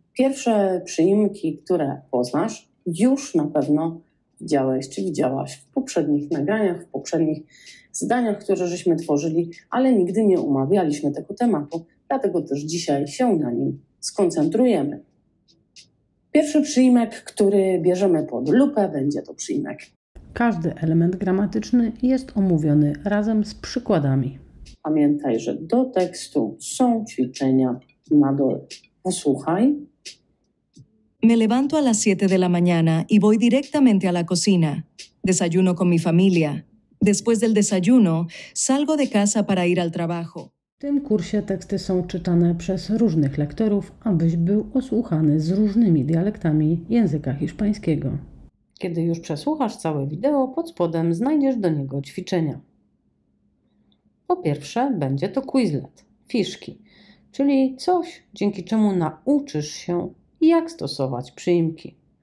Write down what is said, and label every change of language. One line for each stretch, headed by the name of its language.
Polish: Pierwsze przyimki, które poznasz, już na pewno widziałeś czy widziałaś w poprzednich nagraniach, w poprzednich zdaniach, które żeśmy tworzyli, ale nigdy nie omawialiśmy tego tematu, dlatego też dzisiaj się na nim skoncentrujemy. Pierwszy przyimek, który bierzemy pod lupę, będzie to przyimek. Każdy element gramatyczny jest omówiony razem z przykładami. Pamiętaj, że do tekstu są ćwiczenia na dole. Posłuchaj.
Spanish: Me levanto a las 7 de la mañana y voy directamente a la cocina. Desayuno con mi familia. Después del desayuno, salgo de casa para ir al trabajo.
Polish: W tym kursie teksty są czytane przez różnych lektorów, abyś był osłuchany z różnymi dialektami języka hiszpańskiego. Kiedy już przesłuchasz całe wideo, pod spodem znajdziesz do niego ćwiczenia. Po pierwsze, będzie to Quizlet, fiszki, czyli coś, dzięki czemu nauczysz się, jak stosować przyimki.